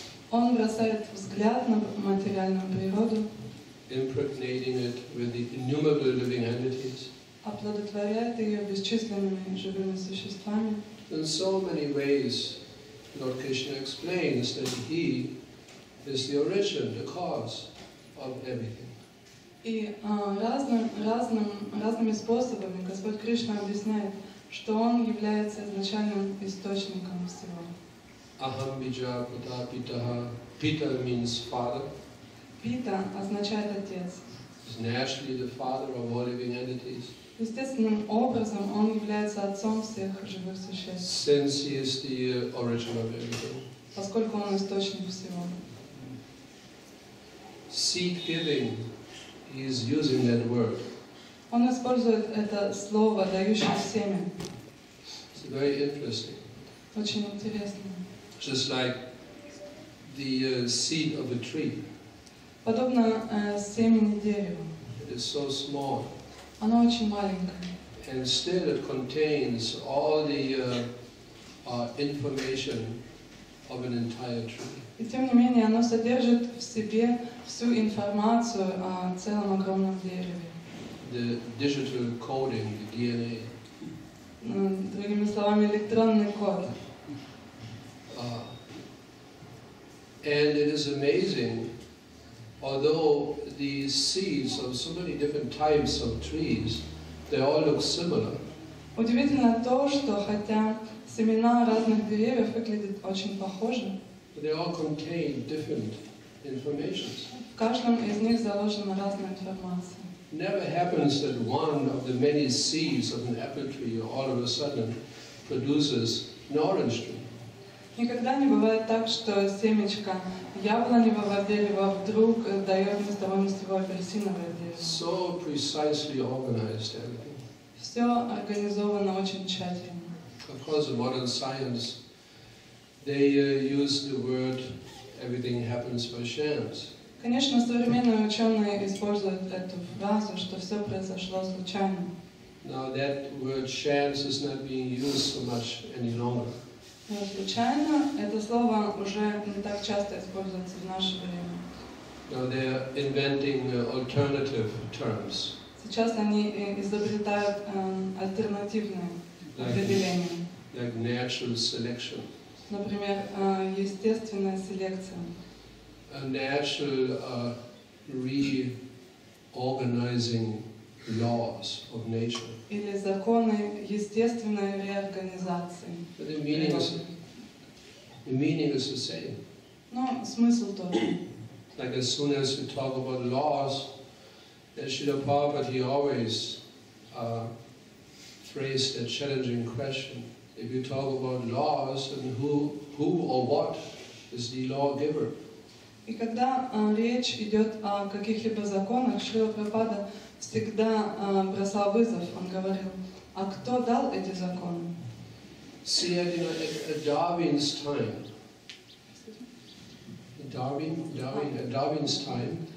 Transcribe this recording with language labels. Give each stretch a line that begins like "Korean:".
Russian: Он бросает взгляд на материальную природу,
English: impregnating it with the innumerable living entities,
Russian: оплодотворяет ее бесчисленными живыми существами.
English: In so many ways, Lord Krishna explains that he is the origin, the cause of everything.
Russian: И разными способами Господь Кришна объясняет, что он является изначальным источником всего.
Sanskrit: Aham bija pita pitaha.
English: Pita means father.
Russian: Pita означает отец.
English: He's naturally the father of all living entities.
Russian: Естественным образом он является отцом всех живых существ.
English: Since he is the origin of everything.
Russian: Поскольку он источник всего.
English: Seed giving. He is using that word.
Russian: Он использует это слово, дающее семя.
English: It's very interesting.
Russian: Очень интересно.
English: Just like the seed of a tree.
Russian: Подобно семени дерева.
English: It is so small.
Russian: Оно очень маленькое.
English: And still it contains all the information of an entire tree.
Russian: И тем не менее, оно содержит в себе всю информацию о целом огромном дереве.
English: The digital coding, the DNA.
Russian: Другими словами, электронный код.
English: And it is amazing, although the seeds of so many different types of trees, they all look similar.
Russian: Удивительно то, что хотя семена разных деревьев выглядят очень похожи,
English: they all contain different information.
Russian: В каждом из них заложена разная информация.
English: Never happens that one of the many seeds of an apple tree all of a sudden produces an orange tree.
Russian: Никогда не бывает так, что семечко яблоневого дерева вдруг дает вместо него апельсиновое дерево.
English: So precisely organized everything.
Russian: Все организовано очень тщательно.
English: Of course, in modern science, they use the word "everything happens by chance".
Russian: Конечно, современные ученые используют эту фразу, что все произошло случайно.
English: Now that word "chance" is not being used so much any longer.
Russian: Случайно это слово уже не так часто используется в наше время.
English: Now they're inventing alternative terms.
Russian: Сейчас они изобретают альтернативные определения.
English: Like natural selection.
Russian: Например, естественная селекция.
English: A natural reorganizing laws of nature.
Russian: Или законы естественной реорганизации.
English: But the meaning is the same.
Russian: Но смысл тот же.
English: Like as soon as you talk about laws, then Srila Prabhupada, he always phrased a challenging question. If you talk about laws, then who or what is the lawgiver?
Russian: И когда речь идет о каких-либо законах, Шрила Прабхупада всегда бросал вызов. Он говорил: а кто дал эти законы?
English: See, you know, at Darwin's time. Darwin's time.